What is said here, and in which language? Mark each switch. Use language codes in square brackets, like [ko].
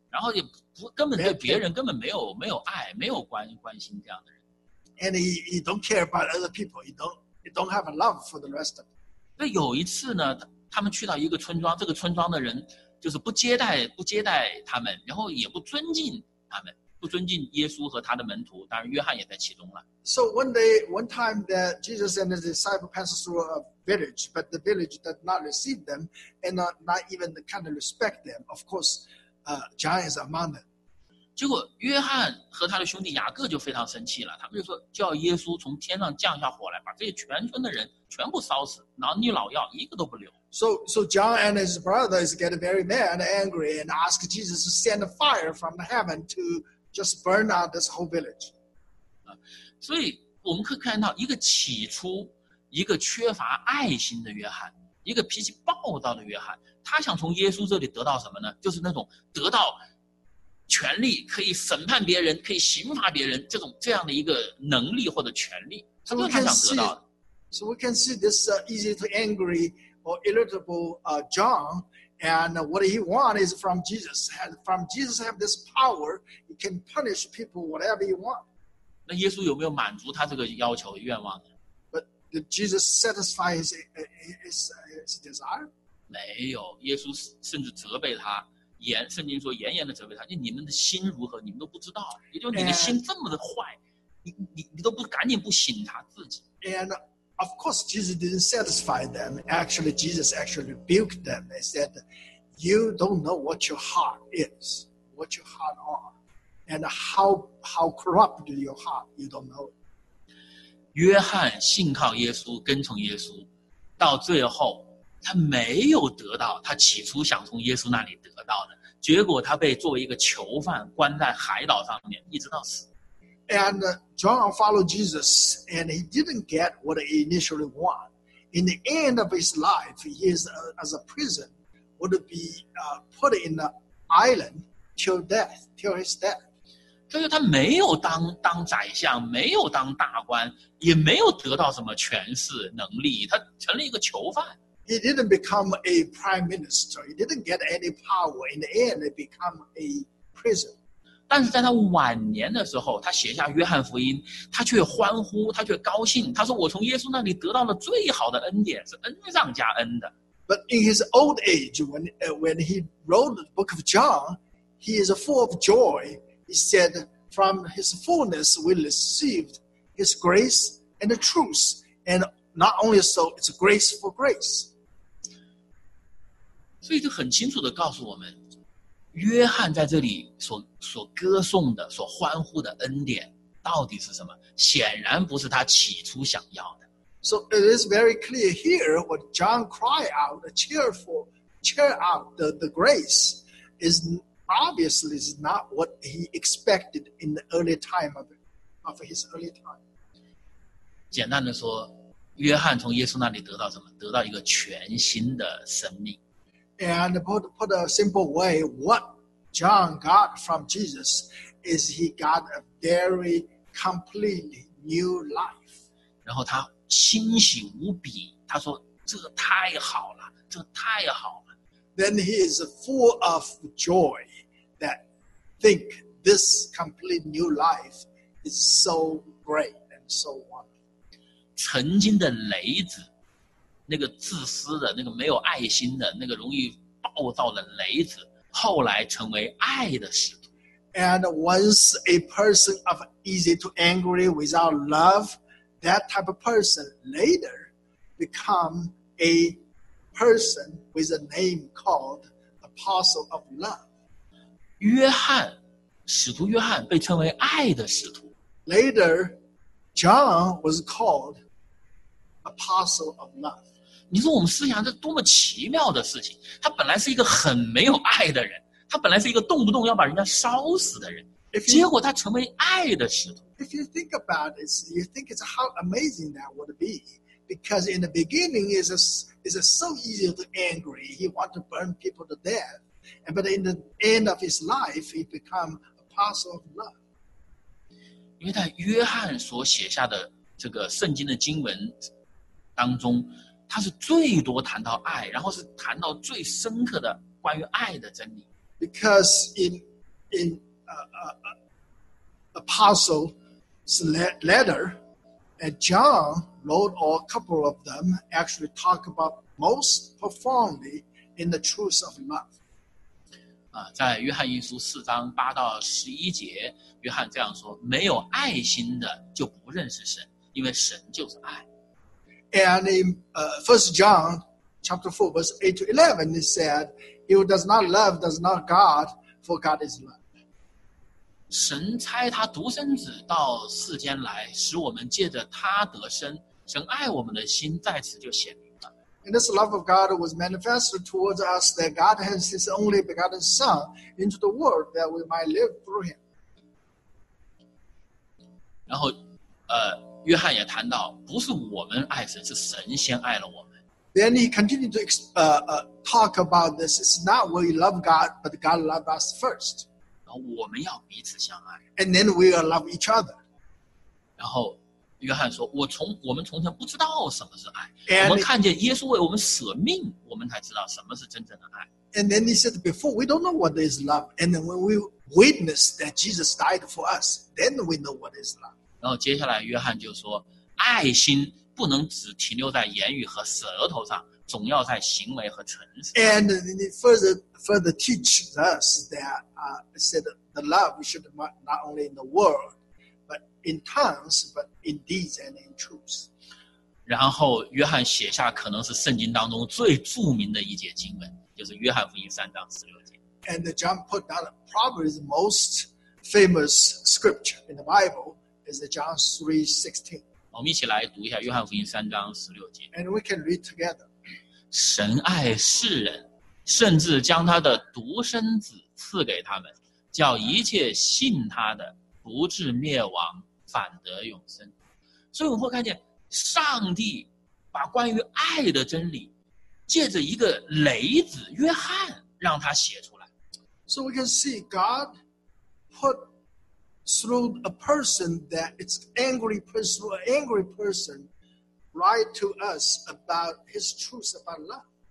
[zh] 然后也不根本对别人根本没有爱，没有关心这样的人。 [en] And he don't care about other people. He don't have a love for the rest of them. [zh] 那有一次呢，他们去到一个村庄，这个村庄的人就是不接待他们，然后也不尊敬他们，不尊敬耶稣和他的门徒。当然，约翰也在其中了。 [en] So one time that Jesus and his disciples passed through a village, but the village did not receive them and not even kind of respect them. Of course, John is among them. [zh] 结果约翰和他的兄弟雅各就非常生气了，他们就说叫耶稣从天上降下火来，把这些全村的人全部烧死，男女老幼一个都不留。 [en] So John and his brothers get very mad and angry and ask Jesus to send a fire from heaven to just burn out this whole village. [zh] 所以我们可以看到一个起初一个缺乏爱心的约翰，一个脾气暴躁的约翰，他想从耶稣这里得到什么呢？就是那种得到权力，可以审判别人，可以刑罚别人，这样的一个能力或者权力，这是他想得到的。 [en] So we can see this easy to angry or irritable John, and what he wants is from Jesus. And from Jesus have this power, he can punish people whatever he wants. [zh] 那耶稣有没有满足他这个要求愿望呢 [en] ？But did Jesus satisfy his desire? [zh] 没有，耶稣甚至责备他。圣经说严严的责备他，你们的心如何你们都不知道，也就是你的心这么的坏， [en] and, [zh] 你都不赶紧不省察自己。 [en] And of course Jesus didn't satisfy them. Actually, Jesus actually rebuked them. He said, you don't know what your heart is, what your heart are, and how corrupt your heart, you don't know. [zh] 约翰信靠耶稣，跟从耶稣，到最后他没有得到他起初想从耶稣那里得到的，结果他被作为一个囚犯关在海岛上面，一直到死。 [en] And John followed Jesus, and he didn't get what he initially wanted. In the end of his life, he is as a prison, would be put in an island till his death. [zh] 所以他没有当宰相，没有当大官，也没有得到什么权势能力，他成了一个囚犯。 [en] He didn't become a prime minister. He didn't get any power. In the end, he became a prison. [zh] 但是在他晚年的时候，他写下约翰福音，他却欢呼，他却高兴。他说：“我从耶稣那里得到了最好的恩典，是恩上加恩的。” [en] But in his old age, when he wrote the book of John, he is full of joy. He said, "From his fullness we received his grace and the truth, and not only so, it's grace for grace." [zh] 所以就很清楚地告诉我们，约翰在这里所歌颂的、所欢呼的恩典到底是什么？显然不是他起初想要的。 [en] So it is very clear here what John cried out, cheer out the grace is obviously is not what he expected in the early time of his early time. [zh] 简单的说，约翰从耶稣那里得到什么？得到一个全新的生命。 [en] And put a simple way, what John got from Jesus is he got a very completely new life. [zh] 然后他欣喜无比，他说这太好了，这太好了。 [en] Then he is full of joy that think this complete new life is so great and so wonderful. [zh] 曾经的雷子，那个自私的，那个没有爱心的，那个容易暴躁的雷子，后来成为爱的使徒。 [en] And once a person of easy to angry without love, that type of person later become a person with a name called Apostle of Love. [zh] 约翰，使徒约翰被称为爱的使徒。 [en] Later, John was called Apostle of Love. [zh] 你说我们思想这多么奇妙的事情，他本来是一个很没有爱的人，他本来是一个动不动要把人家烧死的人。结果他成为爱的使徒。 [en] If you think about it, you think it's how amazing that would be. Because in the beginning, it's so easy to angry. He wants to burn people to death. But in the end of his life, he become apostle of love. [zh] 因为在约翰所写下的这个圣经的经文当中，他是最多谈到爱，然后是谈到最深刻的关于爱的真理。 [en] Because in apostle letter, and John wrote a couple of them actually talk about most profoundly in the truth of love. [zh] 在约翰一书四章八到十一节，约翰这样说：没有爱心的就不认识神，因为神就是爱。 [en] And in First John chapter 4 verse 8 to 11, he said, "He who does not love does not God, for God is love." [zh] 神差他独生子到世间来，使我们借着他得生。神爱我们的心在此就显明了。 [en] And this love of God was manifested towards us that God has His only begotten Son into the world that we might live through Him. [zh] 然后，约翰也谈到，不是我们爱神，是神先爱了我们。 [en] Then he continued to talk about this. It's not we love God, but God loved us first. [zh] 然后我们要彼此相爱。 [en] And then we will love each other. [zh] 然后约翰说，我们从前不知道什么是爱。我们看见耶稣为我们舍命，我们才知道什么是真正的爱。 [en] And then he said, before we don't know what is love. And then when we witness that Jesus died for us, then we know what is love. [zh] 然后接下来约翰就说，爱心不能只停留在言语和舌头上，总要在行为和诚实。 [en] And he further teaches us that said the love should not only in the word but in tongues but in deeds and in truth. [zh] 然后约翰写下可能是圣经当中最著名的一节经文，就是约翰福音三章十六节。 [en] And John put down probably the most famous scripture in the BibleIs John 3:16. [zh] 我们一起来读一下约翰福音三章十六节。 [en] And we can read together. [zh] 神爱世人，甚至将他的独生子赐给他们，叫一切信他的不至灭亡，反得永生。所以我们会看见，上帝把关于爱的真理，借着一个雷子约翰，让他写出来。 [en] So we can see God put. Through a person that it's angry person, an angry person, write to us about his truth about love.